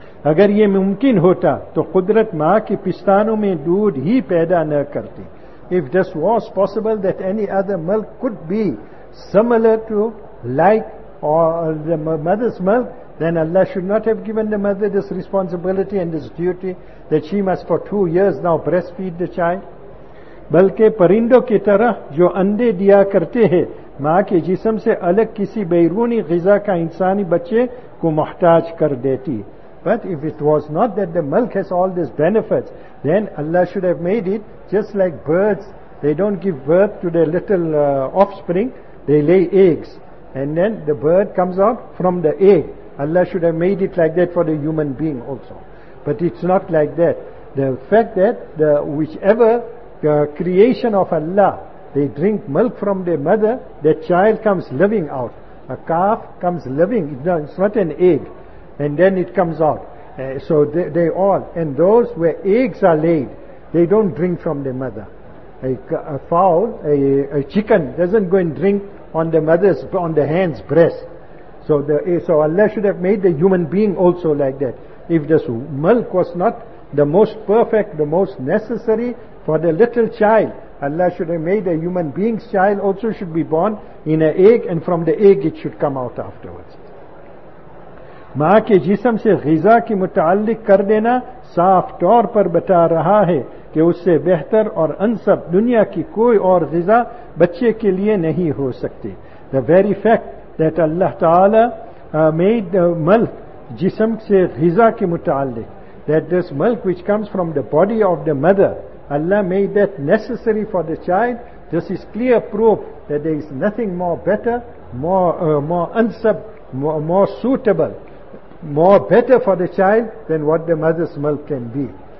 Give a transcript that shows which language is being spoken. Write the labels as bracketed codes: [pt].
[ur] اگر یہ ممکن ہوتا تو قدرت ماں کی پستانوں میں دودھ ہی پیدا نہ کرتی. [en] If this was possible that any other milk could be similar to, like, or the mother's milk, then Allah should not have given the mother this responsibility and this duty that she must for 2 years now breastfeed the child. [ur] بلکہ پرندوں کی طرح جو اندے دیا کرتے ہیں ماں کے جسم سے الگ کسی بیرونی غذا کا انسانی بچے کو محتاج کر دیتی. [en] But if it was not that the milk has all these benefits, then Allah should have made it just like birds. They don't give birth to their little offspring. They lay eggs. And then the bird comes out from the egg. Allah should have made it like that for the human being also. But it's not like that. The fact that the whichever creation of Allah, they drink milk from their mother, that child comes living out. A calf comes living. It's not an egg. And then it comes out. So they all, and those where eggs are laid, they don't drink from their mother. A fowl, a chicken doesn't go and drink on the mother's, on the hen's breast. So Allah should have made the human being also like that. If this milk was not the most perfect, the most necessary for the little child, Allah should have made a human being's child also should be born in an egg, and from the egg it should come out afterwards. [ur] ماں کے جسم سے غذا کی متعلق کر دینا صاف طور پر بتا رہا ہے کہ اس سے بہتر اور انسب دنیا کی کوئی اور غذا بچے کے لیے نہیں ہو سکتی. [en] The very fact that Allah Ta'ala made the milk [ur] جسم سے غذا کی متعلق, [en] that this milk which comes from the body of the mother, Allah made that necessary for the child, this is clear proof that there is nothing more better, more unsub, more suitable, more better for the child than what the mother's milk can be.